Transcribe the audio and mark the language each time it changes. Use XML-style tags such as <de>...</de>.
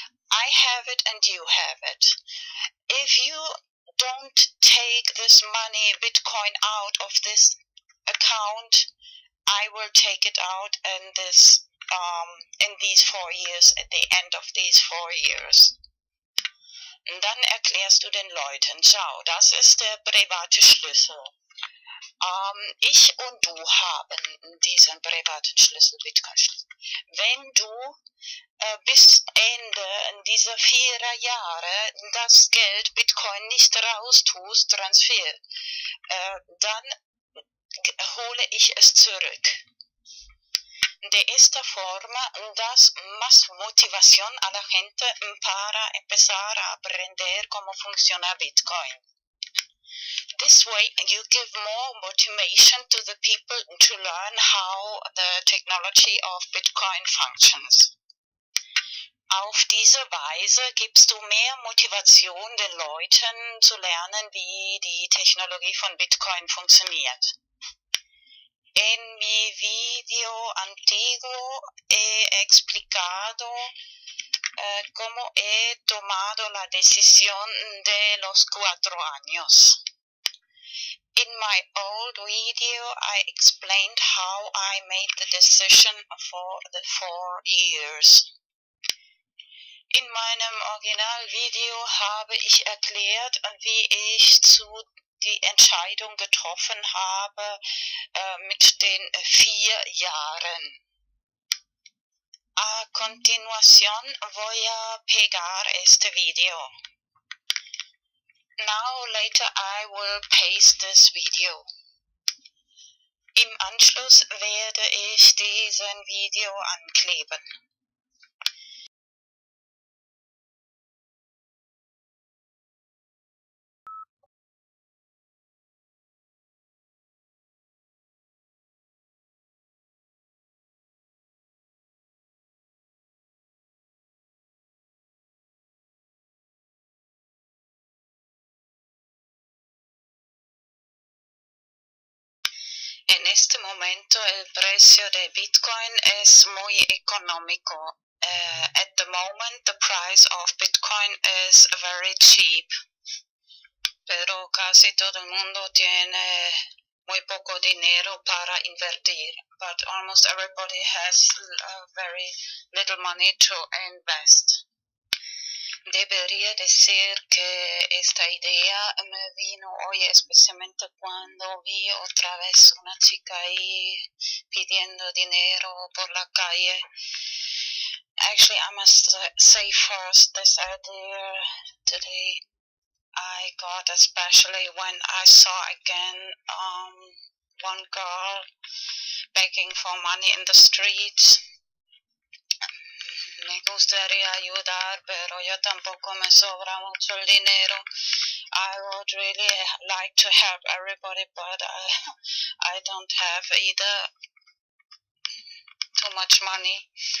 <en>I have it and you have it. If you don't take this money, Bitcoin, out of this account, I will take it out in this in these 4 years, at the end of these 4 years.</en> <de>Und dann erklärst du den Leuten, schau, das ist der private Schlüssel. Ich und du haben diesen privaten Schlüssel, Bitcoin-Schlüssel. Wenn du bis Ende dieser 4 Jahre das Geld Bitcoin nicht raustust, Transfer, dann hole ich es zurück.</de> <es>De esta forma das más motivación a la gente para empezar a aprender cómo funciona Bitcoin.</es> <en>This way you give more motivation to the people to learn how the technology of Bitcoin functions.</en> <de>Auf diese Weise gibst du mehr Motivation den Leuten zu lernen, wie die Technologie von Bitcoin funktioniert.</de> <es>En mi video antiguo he explicado cómo he tomado la decisión de los 4 años.</es> <en>In my old video, I explained how I made the decision for the 4 years.</en> <de>In meinem Originalvideo habe ich erklärt, wie ich zu die Entscheidung getroffen habe mit den 4 Jahren.</de> <es>A continuación voy a pegar este video.</es> <en>Now later I will paste this video.</en> <de>Im Anschluss werde ich diesen Video ankleben.</de> <es>En este momento el precio de Bitcoin es muy económico.</es> <en>At the moment the price of Bitcoin is very cheap.</en> <es>Pero casi todo el mundo tiene muy poco dinero para invertir.</es> <en>But almost everybody has very little money to invest.</en> <es>Debería decir que esta idea me vino hoy especialmente cuando vi otra vez una chica ahí pidiendo dinero por la calle.</es> <en>Actually, I must say first this idea today I got, especially when I saw again one girl begging for money in the streets.</en> <es>Me gustaría ayudar, pero yo tampoco me sobra mucho el dinero.</es> <en>I would really like to help everybody, but I don't have either too much money.</en>